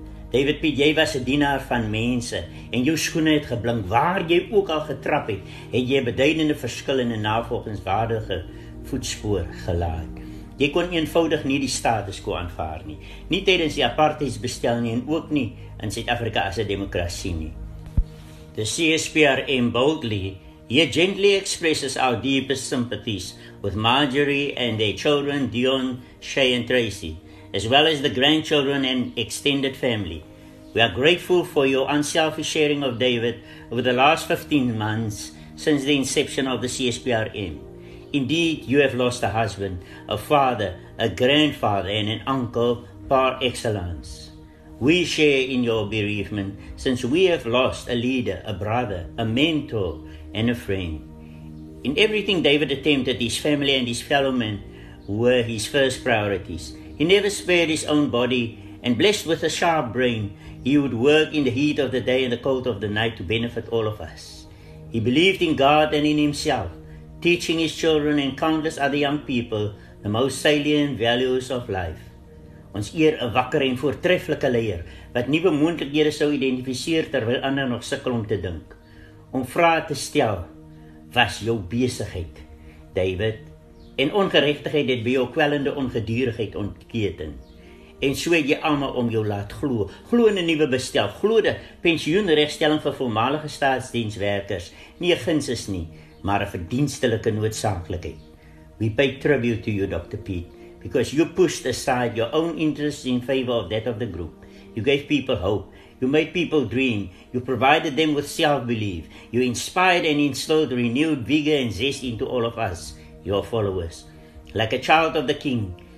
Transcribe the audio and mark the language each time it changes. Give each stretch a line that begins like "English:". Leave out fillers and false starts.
Afrikaans: David Piedt, jy was 'n dienaar van mense en jou skoene het geblink. Waar jy ook al getrap het, het jy beduidende verskil in 'n navolgingswaardige voetspoor gelaat. Jy kon eenvoudig nie die status quo aanvaar nie, nie tydens die apartheidsbestel nie en ook nie in Suid-Afrika as 'n demokrasie nie.
English: The CSPRM boldly, he gently expresses our deepest sympathies with Marjorie and their children, Dion, Shay and Tracy, as well as the grandchildren and extended family. We are grateful for your unselfish sharing of David over the last 15 months since the inception of the CSPRM. Indeed, you have lost a husband, a father, a grandfather and an uncle par excellence. We share in your bereavement since we have lost a leader, a brother, a mentor and a friend. In everything David attempted, his family and his fellow men were his first priorities. He never spared his own body, and blessed with a sharp brain, he would work in the heat of the day and the cold of the night to benefit all of us. He believed in God and in himself, teaching his children and countless other young people the most salient values of life.
Afrikaans: Ons eer 'n wakker en voortreffelike leier wat nuwe moontlikhede sou identifiseer terwyl ander nog sukkel om te dink. Om vrae te stel was jou besigheid, David, en ongeregtigheid het by jou kwellende ongedurigheid ontketen. En so het jy almal om jou laat glo. Glo in 'n nuwe bestel, glo dat pensioenregstelling vir voormalige staatsdienswerkers nie 'n guns is nie, maar 'n verdienstelike noodsaaklikheid.
English: We pay tribute to you, Dr. Piedt, because you pushed aside your own interests in favor of that of the group. You gave people hope. You made people dream. You provided them with self-belief. You inspired and instilled renewed vigor and zest into all of us, your followers. Like a child of the King,